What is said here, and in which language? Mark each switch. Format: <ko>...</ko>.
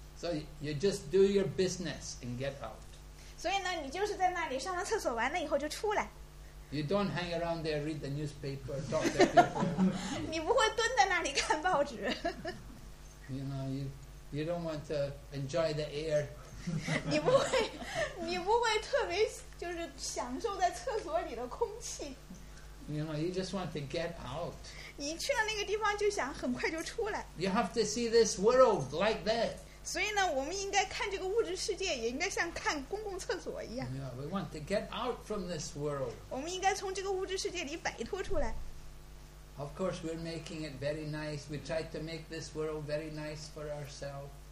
<en>So you just do your business and get out.</en> <zh>所以呢，你就是在那里上完厕所完了以后就出来。</zh> <en>You don't hang around there, read the newspaper, talk to people.</en> <zh>你不会蹲在那里看报纸。</zh> <en>You know, you don't want to enjoy the air.</en> <zh>你不会特别就是享受在厕所里的空气。</zh> <en>You know, you just want to get out.</en> <zh>你去了那个地方就想很快就出来。</zh> <en>You have to see this world like that.</en> <zh>所以呢，我们应该看这个物质世界，也应该像看公共厕所一样。</zh> <en>Yeah, we want to get out from this world.</en> <zh>我们应该从这个物质世界里摆脱出来。</zh> <en>Of course, we're making it very nice. We try to make this world very nice for ourselves.</en>